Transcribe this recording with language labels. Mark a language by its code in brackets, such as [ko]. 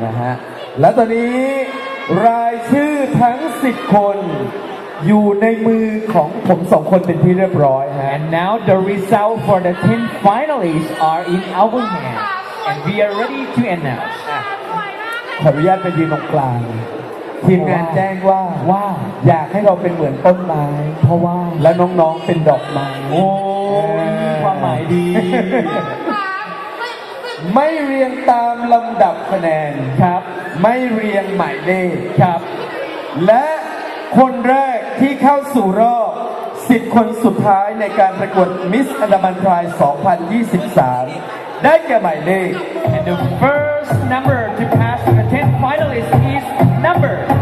[th] นะฮะและตอนนี้รายชื่อทั้ง10คนอยู่ในมือของผม2คนเป็นที่เรียบร้อยฮะ [en] And now the result for the 10 finalists are in our hand And we are ready to announce [th] ขออนุญาตไปยืนตรงกลางทีมงานแจ้งว่าอยากให้เราเป็นเหมือนต้นไม้ เพราะว่า และน้องๆเป็นดอกไม้โอ้ความหมายดี ไม่เรียงตามลำดับคะแนน ครับ ไม่เรียงหมายเลข ครับ และคนแรกที่เข้าสู่รอบ10คนสุดท้ายในการประกวดมิสอันดามันไทร2023ได้แก่หมายเลข [en] And the first number to pass the 10 finalists is number